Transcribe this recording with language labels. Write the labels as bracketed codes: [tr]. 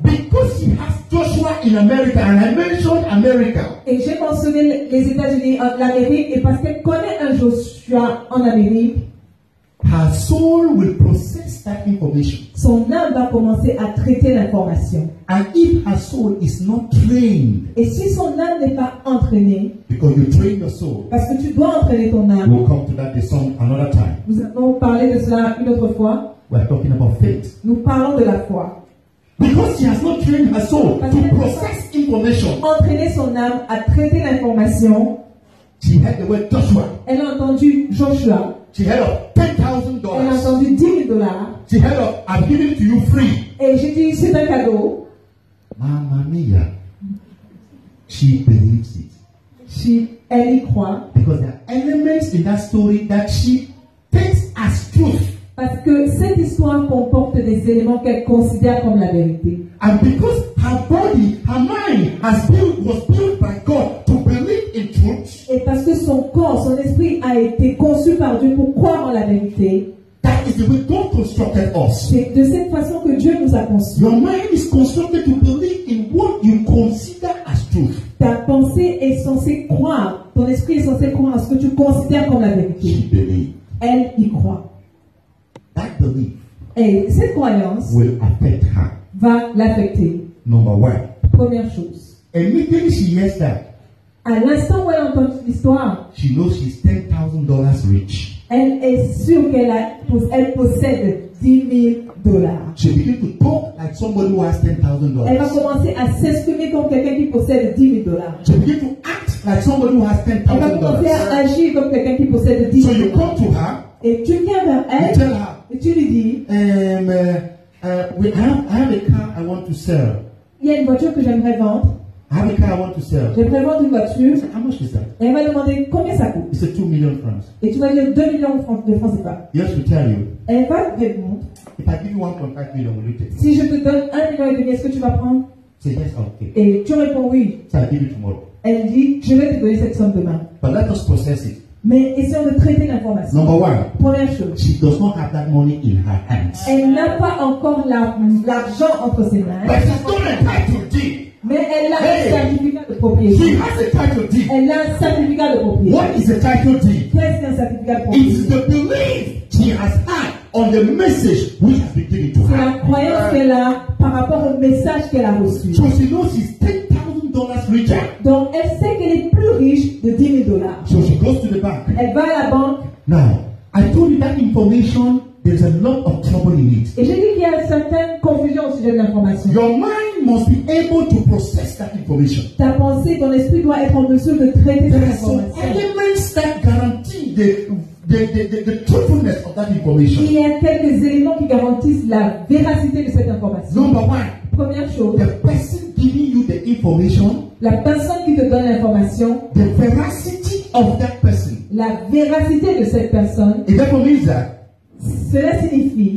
[en] Because he has Joshua in America, and I mentioned America. [fr] Et j'ai mentionné les États-Unis, l'Amérique, et parce qu'elle connaît un Joshua en Amérique. [en] Her soul will process that information. [fr] Son âme va commencer à traiter l'information. [en] And if her soul is not trained, [fr] et si son âme n'est pas entraînée, [en] because you train your soul, [fr] parce que tu dois entraîner ton âme, [en] we'll come to that song another time. [fr] Nous allons parler de cela une autre fois. [en] We're talking about faith. [fr] Nous parlons de la foi. [en] Because she has not trained her soul to process information. [fr] Entraîner son âme à traiter l'information. [en] She heard the word Joshua. [fr] Elle a entendu Joshua. [en] She heard of $10,000. [fr] Elle a entendu 10 000 dollars. [en] She heard of, I'm giving it to you free. [fr] Et j'ai dit, c'est un cadeau. [it] Mamma mia. [en] She believes it. [fr] Elle y croit. [en] Because there are elements in that story that she takes as truth. [fr] Parce que cette histoire comporte des éléments qu'elle considère comme la vérité. [en] And because her body, her mind has was built by God to believe in truth. [fr] Et parce que son corps, son esprit a été conçu par Dieu pour croire en la vérité. [en] That is the way God constructed us. [fr] C'est de cette façon que Dieu nous a conçus. [en] Your mind is constructed to believe in what you consider as truth. [fr] Ta pensée est censée croire, ton esprit est censé croire en ce que tu considères comme la vérité. [en] She believes. [fr] Elle y croit. [en] That belief. [fr] Et cette croyance [en] will affect her. [fr] Va l'affecter. [en] Number one. [fr] Première chose. [en] Immediately she hears that. [fr] À l'instant où elle entend cette histoire, [en] she knows she's $10,000 rich. [fr] Elle est sûre qu'elle possède 10 000 dollars. [en] She begins to talk like somebody who has $10,000. [fr] Elle va commencer à s'exprimer comme quelqu'un qui possède 10 000 dollars. [en] She begins to act like somebody who has $10,000. [fr] Elle va commencer à agir comme quelqu'un qui possède 10 000 [en] dollars. So you come to her. [fr] Et tu viens vers elle. [en] You tell her. [fr] Et tu lui dis. [en] I have a car I want to sell. [fr] Il y a une voiture que j'aimerais vendre. [en] I have a car I want to sell. [fr] Je vais vendre une voiture. [en] Say, how much is that? [fr] Elle va demander combien ça coûte. [en] It's a 2 million francs. [fr] Et tu vas dire 2 millions de francs, c'est pas. [en] Yes, we tell you. [fr] Elle va te répondre. [en] If I give you 1.5 million, will you take it? [fr] Si je te donne 1 million et demi, est-ce que tu vas prendre? [en] Say, yes, okay. [fr] Et tu réponds oui. [en] So I give you tomorrow. [fr] Elle dit, je vais te donner cette somme demain. [en] But let us process it. [fr] Mais essayons de traiter l'information. [en] Number one. [fr] Première chose. [en] She does not have that money in her hands. [fr] Elle n'a pas encore l'argent entre ses mains. [en] But she's not entitled to it. [fr] Mais elle a un certificat de propriété. [en] She has a title deed. [fr] Elle a un certificat de propriété. [en] What is a title deed? [fr] Qu'est-ce qu'un certificat de propriété? [en] It's the belief she has had on the message which has been given to her. [fr] C'est la croyance qu'elle a par rapport au message qu'elle a reçu. [en] So she knows she's $10,000 richer. [fr] Donc elle sait qu'elle est plus riche de 10 000 dollars. [en] So she goes to the bank. [fr] Elle va à la banque. [en] Now, I told you that information. There's a lot of trouble in it. [fr] Et j'ai dit qu'il y a certaines confusions au sujet de l'information. [en] Your mind must be able to process that information. [fr] Ta pensée, ton esprit doit être en mesure de traiter cette information. [en] There are some elements that guarantee the truthfulness of that information. [fr] Il y a quelques éléments qui garantissent la véracité de cette information. [en] Number one. [fr] Première chose. [en] The person giving you the information. [fr] La personne qui te donne l'information. [en] The veracity of that person. [fr] La véracité de cette personne. [en] Et that means that. [fr] Cela signifie,